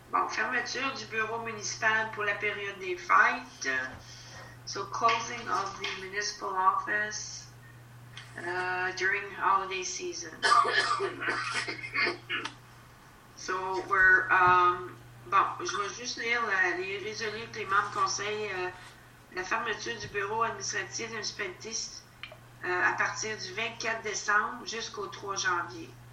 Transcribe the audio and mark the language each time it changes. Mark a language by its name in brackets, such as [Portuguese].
[French] Fermeture du bureau municipal pour la période des fêtes. [English] So, closing of the municipal office during holiday season. So, we're... [French] je vais juste lire les résolus que les membres conseillent. La fermeture du bureau administratif de municipalité à partir du 24 décembre jusqu'au 3 janvier.